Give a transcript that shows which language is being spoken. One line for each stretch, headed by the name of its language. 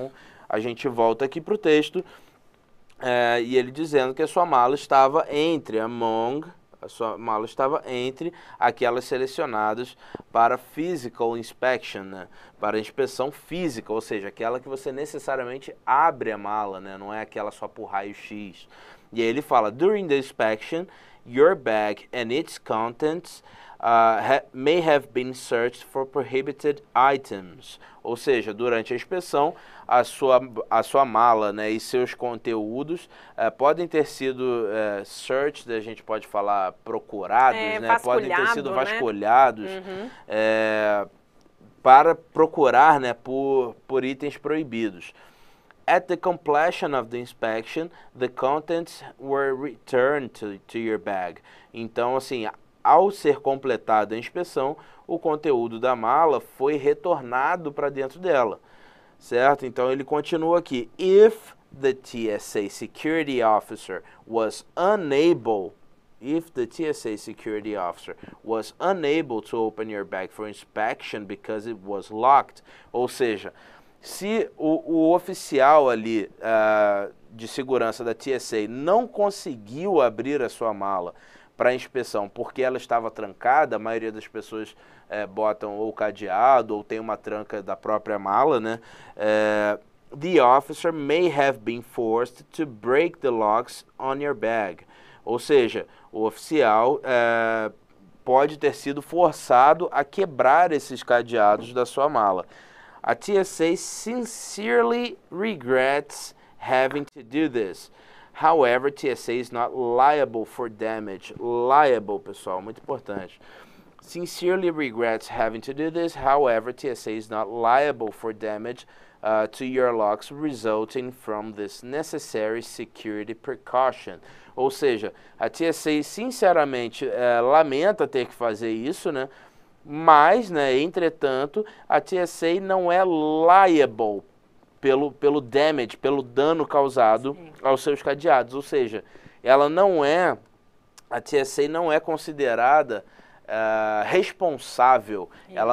Portuguese: Então a gente volta aqui pro texto, e ele dizendo que a sua mala estava entre among a sua mala estava entre aquelas selecionadas para physical inspection, né? Para inspeção física, ou seja, aquela que você necessariamente abre a mala, né? Não é aquela só por raio-x. E aí ele fala:
English: During the inspection, your bag and its contents may have been searched for prohibited items.
Portuguese: Ou seja, durante a inspeção, a sua mala, né, e seus conteúdos podem ter sido searched, a gente pode falar procurados, É, né, podem ter sido vasculhado, né? vasculhados para procurar, né, por itens proibidos.
English: At the completion of the inspection, the contents were returned to your bag.
Portuguese: Então, assim, ao ser completada a inspeção, o conteúdo da mala foi retornado para dentro dela. Certo? Então ele continua aqui:
English: If the TSA security officer was unable, if the TSA security officer was unable to open your bag for inspection because it was locked,
Portuguese: ou seja, se o oficial ali de segurança da TSA não conseguiu abrir a sua mala para inspeção porque ela estava trancada, a maioria das pessoas botam ou cadeado ou tem uma tranca da própria mala, né?
English: The officer may have been forced to break the locks on your bag.
Portuguese: Ou seja, o oficial pode ter sido forçado a quebrar esses cadeados da sua mala.
English: A TSA sincerely regrets having to do this. However, TSA is not liable for damage.
Portuguese: Liable, pessoal, muito importante.
English: Sincerely regrets having to do this. However, TSA is not liable for damage to your locks resulting from this necessary security precaution.
Portuguese: Ou seja, a TSA sinceramente lamenta ter que fazer isso, né? Mas, né, entretanto, a TSA não é liable pelo damage, pelo dano causado aos seus cadeados. Ou seja, ela não é, a TSA não é considerada responsável, ela